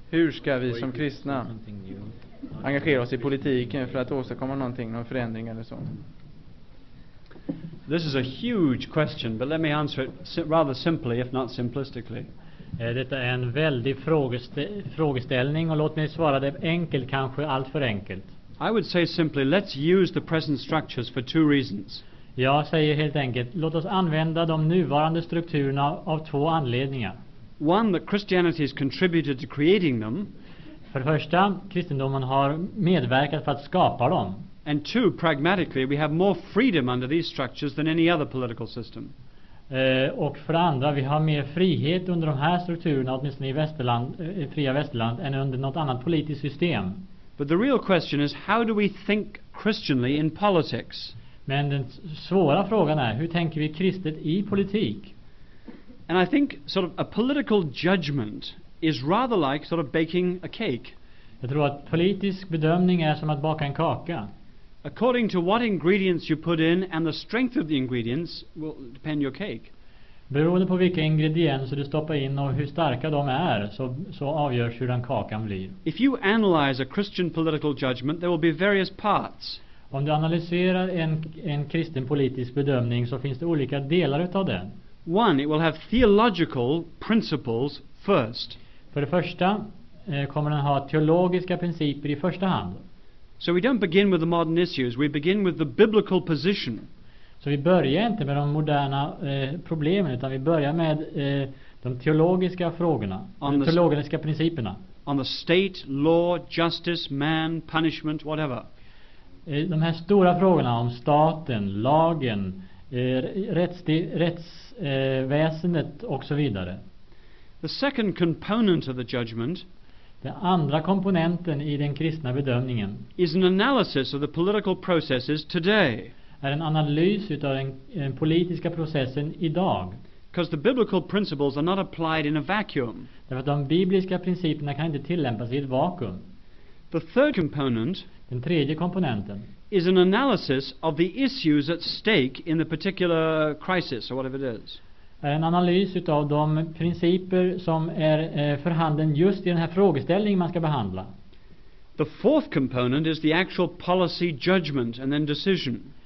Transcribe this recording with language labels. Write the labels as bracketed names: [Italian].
[Swedish] Hur ska vi som kristna engagera oss i politiken för att åstadkomma någonting, någon förändring eller så? [English] This is a huge question, but let me answer it rather simply, if not simplistically. [Swedish] Detta är en väldig frågeställning, och låt mig svara det enkelt, kanske allt för enkelt. [English] I would say simply, let's use the present structures for two reasons. [Swedish] Jag säger helt enkelt, låt oss använda de nuvarande strukturerna av två anledningar. [English] One, that Christianity has contributed to creating them. [Swedish] För första, kristendomen har medverkat för att skapa dem. [English] And two, pragmatically, we have more freedom under these structures than any other political system. [Swedish] Och för andra, vi har mer frihet under de här strukturerna, åtminstone i västerland, i fria västerland, än under något annat politiskt system. [English] But the real question is, how do we think Christianly in politics? [Swedish] Men den svåra frågan är, hur tänker vi kristet i politik? [English] And I think sort of a political judgment is rather like sort of baking a cake. [Swedish] Jag tror att politisk bedömning är som att baka en kaka. [English] According to what ingredients you put in and the strength of the ingredients will depend your cake. [Swedish] Beroende på vilka ingredienser du stoppar in och hur starka de är, så avgörs hur den kakan blir. [English] If you analyze a Christian political judgment, there will be various parts. [Swedish] Om du analyserar en kristen politisk bedömning, så finns det olika delar utav den. [English] One, it will have theological principles first. [Swedish] För det första kommer den ha teologiska principer i första hand. [English] So we don't begin with the modern issues, we begin with the biblical position. [Swedish] Så vi börjar inte med de moderna problemen, utan vi börjar med de teologiska frågorna, de teologiska principerna. [English] On the state, law, justice, man, punishment, whatever. [Swedish] De här stora frågorna om staten, lagen, rättsväsendet och så vidare. [English] The second component of the judgment, [Swedish] den andra komponenten i den kristna bedömningen, [English] is an analysis of the political processes today. [Swedish] Är en analys utav den politiska processen idag. [English] Because the biblical principles are not applied in a vacuum. [Swedish] Därför att de bibliska principerna kan inte tillämpas i ett vakuum. [English] The third component, [Swedish] den tredje komponenten, [English] is an analysis of the issues at stake in the particular crisis or whatever it is. [Swedish] Är en analys utav de principer som är för handen just i den här frågeställningen man ska behandla. [English] The fourth component is the actual policy judgment and then decision.